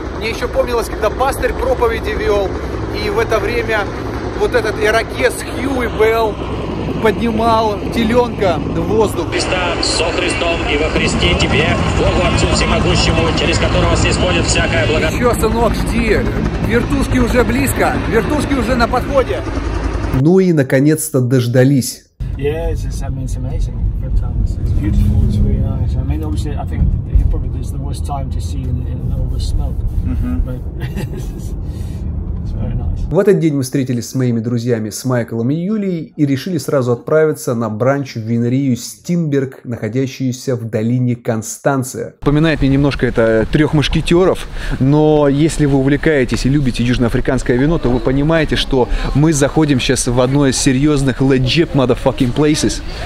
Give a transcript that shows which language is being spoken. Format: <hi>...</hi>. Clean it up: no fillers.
<ru>Мне еще помнилось, когда пастырь проповеди вел. И в это время вот этот ирокез Хьюи Белл поднимал теленка в воздух. Христа со Христом и во Христе тебе, Богу Отцу Всемогущему, через которого сисходит всякая благодать. Еще, сынок, жди. Вертушки уже близко. Вертушки уже на подходе. Ну и наконец-то дождались.</ru> <en>Yeah, it's amazing. It's beautiful. It's really nice. I mean, obviously, I think probably this is the worst time to see in all the smoke. Mm-hmm. But it's</en> <ru>В этот день мы встретились с моими друзьями, с Майклом и Юлией, и решили сразу отправиться на бранч в винерию Стинберг, находящуюся в долине Констанция. Напоминает мне немножко это «Трех мушкетеров», но если вы увлекаетесь и любите южноафриканское вино, то вы понимаете, что мы заходим сейчас в одно из серьезных</ru> <en>legit motherfucking places.</en>